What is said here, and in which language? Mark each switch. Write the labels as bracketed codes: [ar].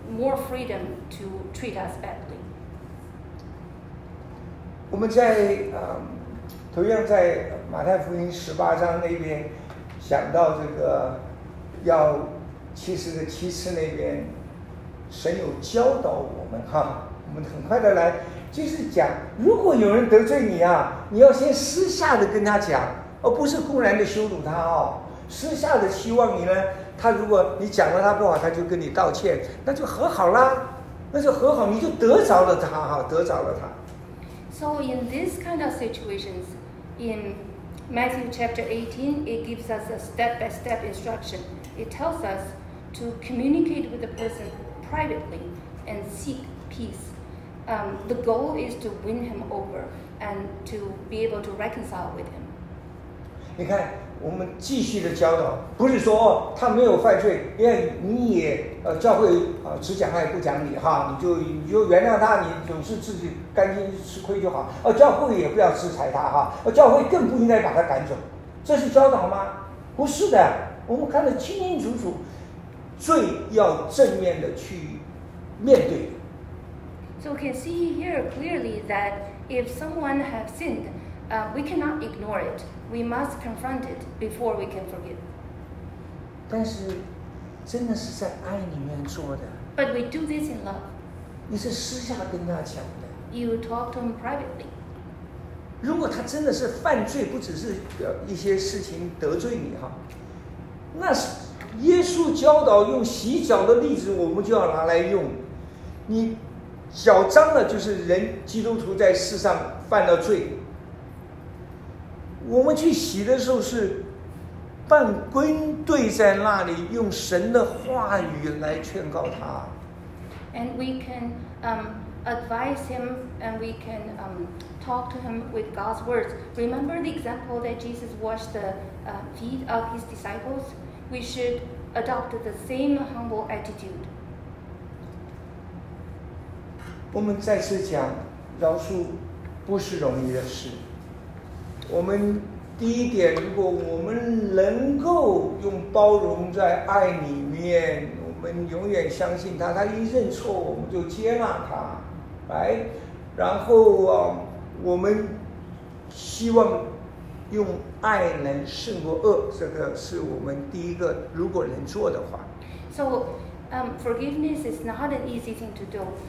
[en] More freedom to treat us badly. [zh] 我们在同样在马太福音十八章那边想到这个要七十个七次那边，神有教导我们哈，我们很快的来，就是讲，如果有人得罪你啊，你要先私下的跟他讲，而不是公然的羞辱他哦，私下的希望你呢。他如果你讲了他不好，他就跟你道歉，那就和好了，那就和好，你就得着了他哈，得着了他。 [en] So in this kind of situations, in Matthew chapter 18, it gives us a step-by-step instruction. It tells us to communicate with the person privately and seek peace. The goal is to win him over and to be able to reconcile with him. [zh] 你看。我们继续的教导，不是说、哦、他没有犯罪，因为你也教会只讲爱不讲理哈，你就原谅他，你总是自己甘心吃亏就好。教会也不要制裁他哈，教会更不应该把他赶走，这是教导吗？不是的，我们看得清清楚楚，罪要正面的去面对。 [en] So we can see here clearly that if someone have sinned, we cannot ignore it. We must confront it before we can forgive. [zh] 但是，真的是在爱里面做的。 [en] But we do this in love. [zh] 你是私下跟他讲的。 [en] You talk to him privately. [zh] 如果他真的是犯罪，不只是一些事情得罪你哈，那是耶稣教导用洗脚的例子，我们就要拿来用。你脚脏了，就是人基督徒在世上犯了罪。我们去洗的时候是半跪对在那里，用神的话语来劝告他。 [en] And we can advise him, and we can talk to him with God's words. Remember the example that Jesus washed the feet of his disciples? We should adopt the same humble attitude. [zh] 我们再次讲，饶恕不是容易的事。我们第一点，如果我们能够用包容在爱里面，我们永远相信他，他一认错我们就接纳他，来，然后啊，我们希望用爱能胜过恶，这个是我们第一个如果能做的话。 [en] So, forgiveness is not an easy thing to do.